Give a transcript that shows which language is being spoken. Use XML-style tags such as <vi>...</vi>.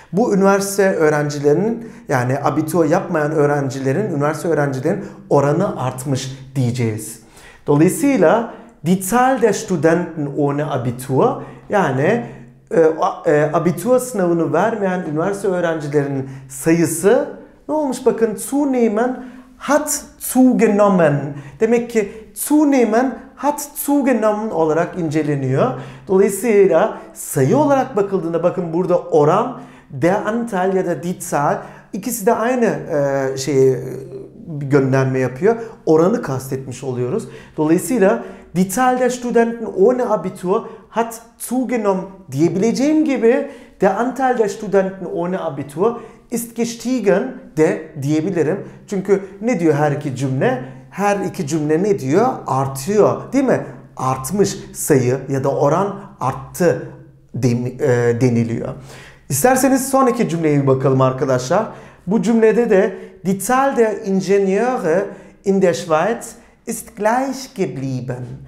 <tr>Bu üniversite öğrencilerinin, yani abitur yapmayan öğrencilerin, üniversite öğrencilerin oranı artmış diyeceğiz. Dolayısıyla</tr> <de>die Zahl der Studenten ohne Abitur,</de> <tr>yani abitur sınavını vermeyen üniversite öğrencilerinin sayısı ne olmuş? Bakın,</tr> <de>zunehmen hat zugenommen.</de> <tr>Demek ki</tr> <de>zunehmen hat zugenommen</de> <tr>olarak inceleniyor. Dolayısıyla sayı olarak bakıldığında, bakın burada oran,</tr> <de>der Anteil</de> <tr>ya da</tr> <de>die Zahl,</de> <tr>ikisi de aynı şeyi gönderme yapıyor. Oranı kastetmiş oluyoruz.</tr> <de>Dolayısıyla die Zahl der Studenten ohne Abitur hat zugenommen</de> <tr>diyebileceğim gibi</tr> <de>der Anteil der Studenten ohne Abitur ist gestiegen</de> <tr>de diyebilirim. Çünkü ne diyor her iki cümle? Her iki cümle ne diyor? Artıyor, değil mi? Artmış sayı ya da oran arttı deniliyor. İsterseniz son iki cümleye bir bakalım arkadaşlar. Bu cümlede de</tr> <de>die Zahl der Ingenieure in der Schweiz ist gleich geblieben.</de>